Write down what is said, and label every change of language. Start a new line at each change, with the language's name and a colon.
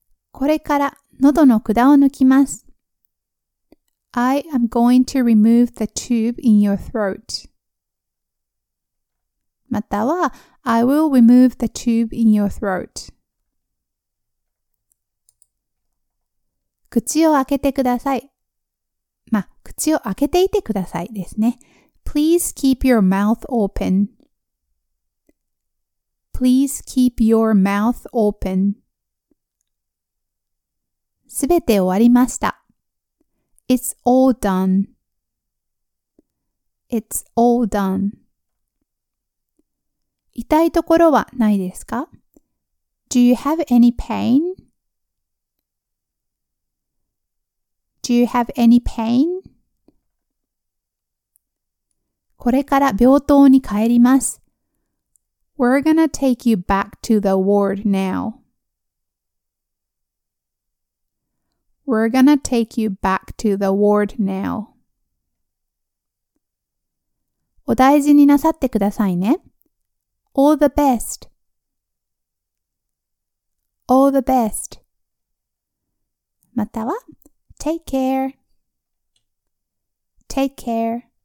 Japanese: これから喉の管を抜きます。
English: I am going to remove the tube in your throat. または、I will remove the tube in your throat.
Japanese: 口を開けてください。まあ、口を開けていてくださいですね。
English: Please keep your mouth open. Please keep your mouth open.
Japanese: すべて終わりました。
English: It's all done. It's all done.
Japanese: 痛いところはないですか?
English: Do you have any pain? Do you have any pain?
Japanese: これから病棟に帰ります。
English: We're gonna take you back to the ward now. We're gonna take you back to the ward now.
Japanese: お大事になさってくださいね。
English: All the best. All the best. または、Take care. Take care.